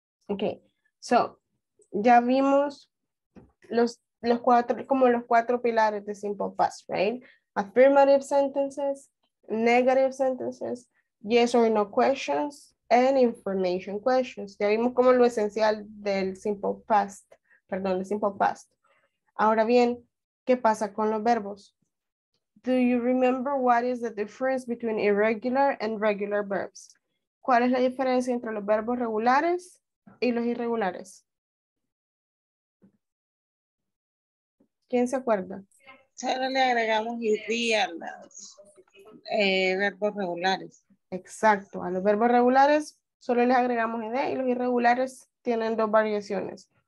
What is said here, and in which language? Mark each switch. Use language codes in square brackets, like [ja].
[es] Ok, so, ya vimos los cuatro pilares de Simple Past, right? [en] Affirmative sentences, negative sentences, yes or no questions, and information questions. [es] Ya vimos como lo esencial del simple past. Perdón, el simple past. Ahora bien, ¿qué pasa con los verbos? [en] Do you remember what is the difference between irregular and regular verbs? [es] ¿Cuál es la diferencia entre los verbos regulares y los irregulares? ¿Quién se acuerda? Solo le agregamos iría los verbos regulares. Exacto, a los verbos regulares solo les agregamos ed y los irregulares tienen dos variaciones.